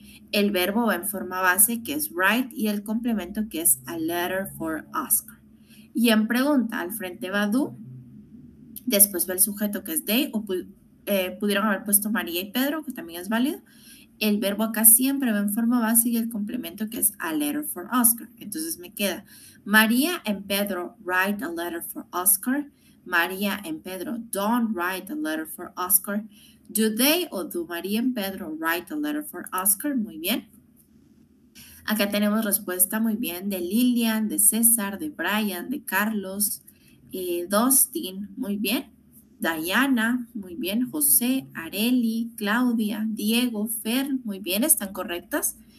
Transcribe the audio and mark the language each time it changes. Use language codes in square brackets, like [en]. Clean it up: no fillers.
[es] El verbo va en forma base, que es write, y el complemento, que es [en] a letter for Oscar. [es] Y en pregunta, al frente va do, después va el sujeto, que es they, o pudieron haber puesto María y Pedro, que también es válido. El verbo acá siempre va en forma base y el complemento, que es [en] a letter for Oscar. [es] Entonces me queda, [en] María and Pedro write a letter for Oscar. María and Pedro don't write a letter for Oscar. Do they o do María and Pedro write a letter for Oscar? [es] Muy bien. Acá tenemos respuesta muy bien de Lilian, de César, de Brian, de Carlos, Dustin, muy bien. Diana, muy bien, José, Areli, Claudia, Diego, Fer, muy bien, están correctas.